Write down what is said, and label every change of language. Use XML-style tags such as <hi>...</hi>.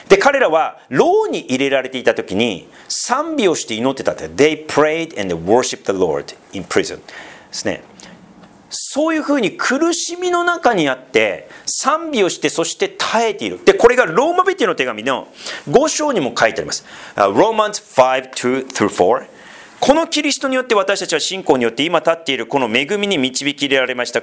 <ja>で、彼らは牢に入れられていた時に賛美をして祈ってたって。</ja> <en>They prayed and worshiped the Lord in prison</en> <ja>ですね。そういうふうに苦しみの中にあって賛美をして、そして耐えている。で、これがローマ人の手紙の5章にも書いてあります。</ja> <en>Romans 5:2-4。</en> <ja>このキリストによって私たちは信仰によって今立っているこの恵みに導き入れられました。</ja>